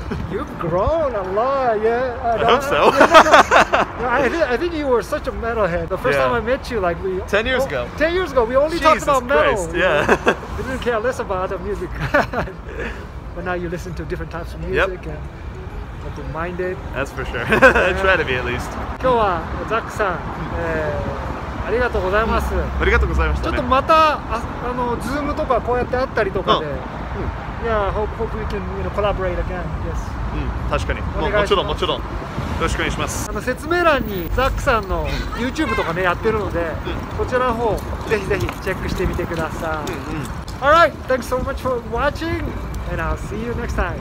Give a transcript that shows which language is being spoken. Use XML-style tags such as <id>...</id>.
<en>You've grown a lot, yeah. I hope so. I think you were such a metalhead. The first time I met you, like we... 10 years ago. 10 years ago, we only Jesus talked about metal. Christ, yeah. We didn't care less about other music. But now you listen to different types of music. Yep. And open-minded. That's for sure. I try to be at least.</en> <ja>今日はザックさん、ありがとうございます。ありがとうございました。ちょっとまた、Zoom とかこうやって会ったりとかで。</ja> <en>Yeah, hope we can collaborate again. Yes.</en> <ja>確かに。もちろん。よろしくお願いします。説明欄にザックさんの YouTube とかね、やってるので、こちらの方、ぜひぜひチェックしてみてください。</ja> <en>Alright, thanks so much for watching, and I'll see you next time.</en>